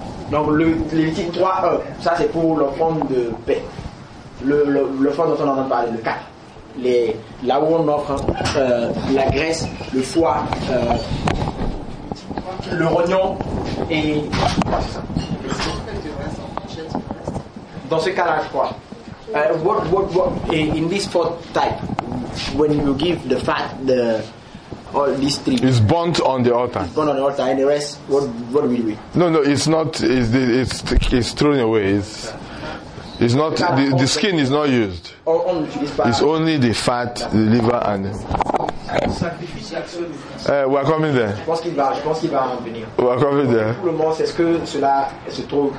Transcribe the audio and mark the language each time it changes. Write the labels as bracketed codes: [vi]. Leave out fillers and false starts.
[fr] donc le Lévitique 3 ça c'est pour l'offrande de paix le foie dont on en a parlé le 4 les, là où on offre la graisse le foie le rognon et dans ce cas-là je crois. [en] What in this fourth type when you give the fat the all these three it's burnt on the altar. It's burnt on the altar and the rest what will we? No, it's not it's thrown away. It's not the skin is not used. It's only the fat, the liver and we're coming there. [fr] Je pense qu'il va en venir. [en] We're coming there. [fr] Pour le moment, c'est ce que cela se trouve.